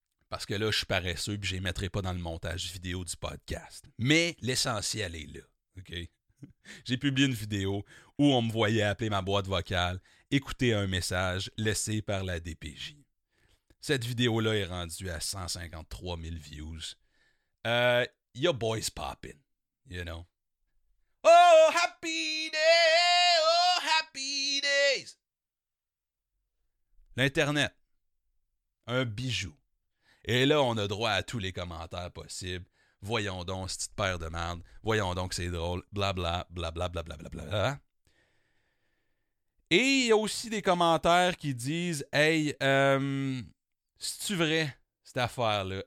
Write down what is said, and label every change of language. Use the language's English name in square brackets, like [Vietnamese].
[French] Parce que là, je suis paresseux puis je les mettrai pas dans le montage vidéo du podcast. Mais l'essentiel est là, OK? J'ai publié une vidéo où on me voyait appeler ma boîte vocale, écouter un message laissé par la DPJ. Cette vidéo-là est rendue à 153 000 views. [English] Your boy's popping, you know. Oh, happy day, oh, happy days. [French] L'Internet, un bijou. Et là, on a droit à tous les commentaires possibles. Voyons donc, c'est une paire de merde. Voyons donc, c'est drôle. Blabla, blabla, blabla, blabla. Bla, bla. Et il y a aussi des commentaires qui disent « Hey, c'est-tu vrai, cette affaire-là?